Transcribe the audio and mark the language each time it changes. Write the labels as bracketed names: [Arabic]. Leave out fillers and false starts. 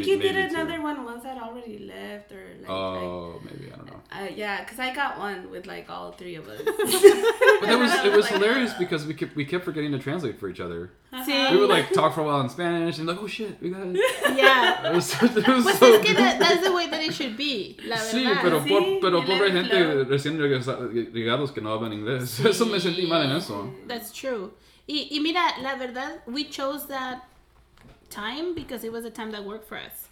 [English] I think you did another one once I'd already left or like... Oh, maybe. I don't know. Because I got one with like all three of us. But it was hilarious because we kept forgetting to translate for each other. Uh-huh. We would like talk for a while in Spanish and like, oh shit, we got it. Yeah. It was so [Spanish] es que [English] that's the way that it should be, [Spanish] la verdad. Sí, pero pobre gente recién llegados que no hablan inglés. Sí. Eso me sentí mal en eso. [English] That's true. [Spanish] Y mira, la verdad, [English] we chose that time because it was a time that worked for us.